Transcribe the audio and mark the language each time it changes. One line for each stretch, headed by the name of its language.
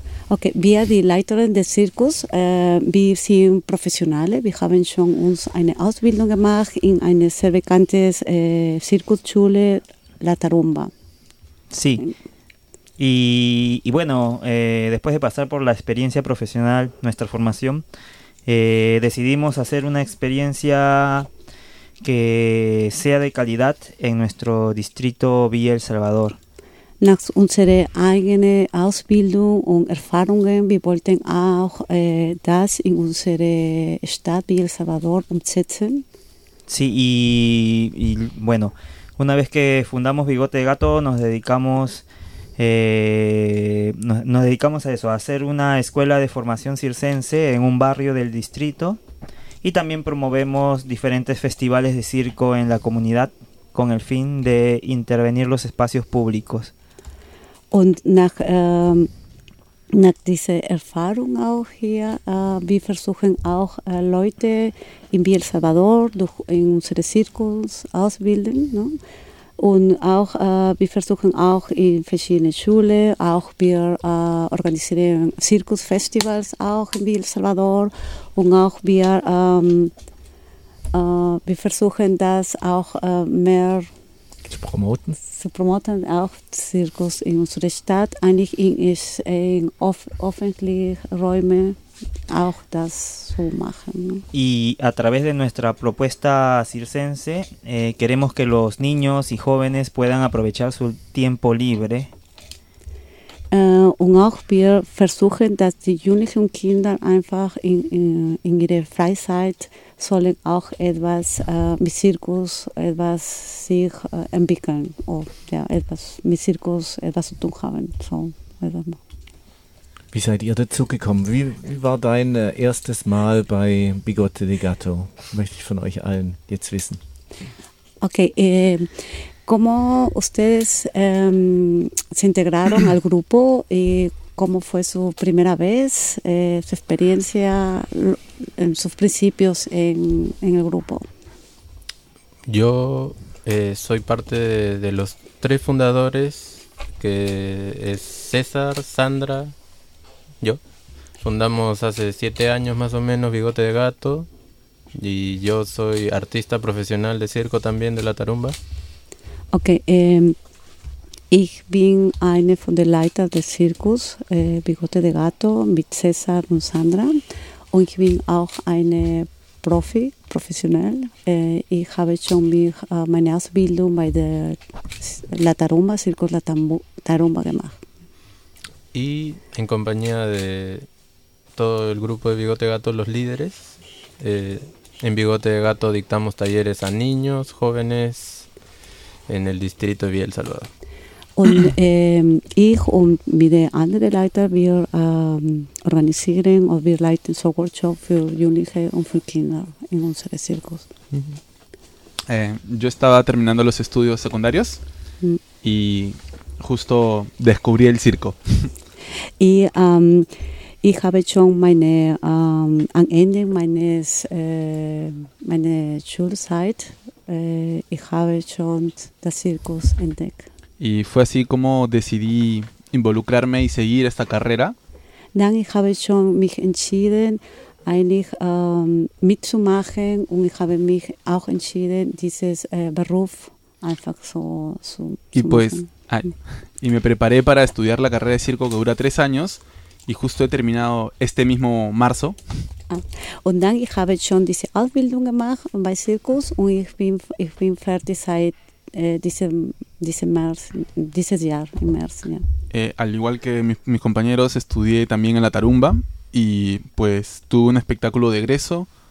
German: Okay, wir, die Leiterin des Zirkus, wir sind Professionelle. Wir haben schon uns eine Ausbildung gemacht in eine sehr bekannte Zirkusschule, La Tarumba.
Spanish: Sí. Y bueno, después de pasar por la experiencia profesional, nuestra formación, decidimos hacer una experiencia que sea de calidad en nuestro distrito Villa El Salvador.
German: Nach unserer eigenen Ausbildung und Erfahrungen, wir wollten auch das in unsere Stadt wie El Salvador umsetzen.
Spanish: Sí, y bueno, una vez que fundamos Bigote de Gato, nos dedicamos a eso, a hacer una escuela de formación circense en un barrio del distrito y también promovemos diferentes festivales de circo en la comunidad con el fin de intervenir los espacios públicos.
German: Und nach dieser Erfahrung auch hier, wir versuchen auch Leute in El Salvador durch in unsere Zirkus auszubilden. No? Und auch wir versuchen auch in verschiedenen Schulen, auch wir organisieren Zirkusfestivals auch in El Salvador. Und auch wir versuchen das auch mehr zu promoten auch Zirkus in unserer Stadt, eigentlich in öffentlichen Räumen auch das zu machen.
Spanish: Y a través de nuestra propuesta circense, queremos que los niños y jóvenes puedan aprovechar su tiempo libre.
German: Und auch wir versuchen, dass die jüngeren Kinder einfach in ihrer Freizeit sollen auch etwas mit Zirkus etwas sich entwickeln oder ja, etwas mit Zirkus etwas zu tun haben. So, wie seid ihr dazu gekommen? Wie war dein erstes Mal bei Bigote de Gato? Möchte ich von euch allen jetzt wissen.
Spanish: Okay, ¿cómo ustedes se integraron al grupo y cómo fue su primera vez, su experiencia, en sus principios en el grupo? Yo soy parte de los 3 fundadores, que es César, Sandra, yo. Fundamos hace 7 años más o menos Bigote de Gato y yo soy artista profesional de circo también de La Tarumba. Okay,
German: Ich bin eine von den Leitern des Zirkus Bigote de Gato mit Cesar und Sandra. Und ich bin auch eine professionell. Ich habe schon meine Ausbildung bei der La Tarumba, Zirkus La Tarumba gemacht.
Spanish: Y en compañía de todo el grupo de Bigote Gato, los líderes, en Bigote de Gato dictamos talleres a niños, jóvenes, en el distrito de Villa El Salvador.
German: Und ich und mit den anderen Leitern, wir organisieren und wir leiten so Workshops für Jugendliche und für Kinder in unserem Zirkus. Mm-hmm.
Spanish: Yo estaba terminando los estudios secundarios y justo descubrí el circo.
German: Y ich habe schon meine, am Ende meines, meine Schulzeit, ich habe schon das Zirkus entdeckt.
Spanish: Y fue así como decidí involucrarme y seguir esta carrera.
German: Dann ich habe schon mich entschieden, eigentlich mitzumachen und ich habe mich auch entschieden, dieses Beruf einfach so zu machen.
Spanish: Y pues, y me preparé para estudiar la carrera de circo que dura 3 años y justo he terminado este mismo marzo.
German: Und dann ich habe schon diese Ausbildung gemacht bei Zirkus und ich bin fertig seit dieses Jahr.
Spanish: Al igual que mis compañeros, estudié también en La Tarumba y pues tuve un espectáculo de egreso.